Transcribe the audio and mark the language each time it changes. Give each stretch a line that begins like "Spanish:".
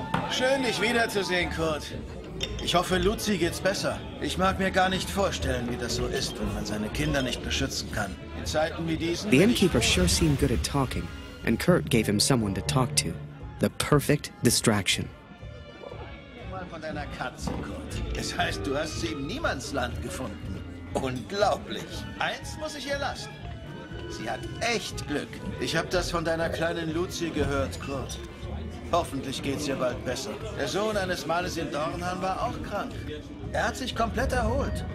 German: Schön, dich wiederzusehen, Kurt. Ich hoffe, Luzi geht's besser. Ich mag mir gar nicht vorstellen, wie das so ist, wenn man seine Kinder nicht beschützen kann. In Zeiten wie diesen...
English: The innkeeper sure seemed good at talking, and Kurt gave him someone to talk to. The perfect distraction.
German: Mal von deiner Katze, Kurt. Es heißt, du hast sie im Niemandsland gefunden. Unglaublich. Eins muss ich ihr lassen. Sie hat echt Glück. Ich habe das von deiner kleinen Luzi gehört, Kurt. Hoffentlich geht's ihr bald besser. Der Sohn eines Mannes in Dornhan war auch krank. Er hat sich komplett erholt.